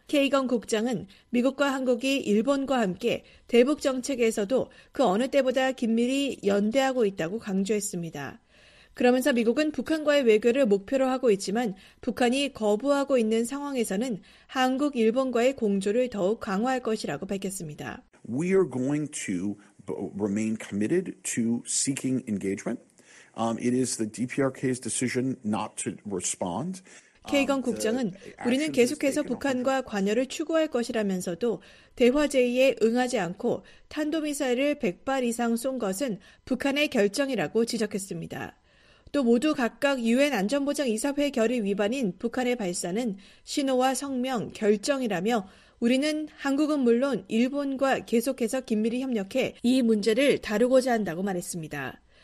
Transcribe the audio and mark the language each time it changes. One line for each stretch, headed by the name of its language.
Korean: 케이건 국장은 미국과 한국이 일본과 함께 대북 정책에서도 그 어느 때보다 긴밀히 연대하고 있다고 강조했습니다. 그러면서 미국은 북한과의 외교를 목표로 하고 있지만 북한이 거부하고 있는 상황에서는 한국, 일본과의 공조를 더욱 강화할 것이라고 밝혔습니다.
English: We are going to remain committed to seeking engagement. It is the DPRK's decision not to respond.
Korean: 케이건 국장은 우리는 계속해서 북한과 관여를 추구할 것이라면서도 대화 제의에 응하지 않고 탄도미사일을 100발 이상 쏜 것은 북한의 결정이라고 지적했습니다. 또 모두 각각 유엔 안전보장이사회 결의 위반인 북한의 발사는 신호와 성명, 결정이라며 우리는 한국은 물론 일본과 계속해서 긴밀히 협력해 이 문제를 다루고자 한다고 말했습니다.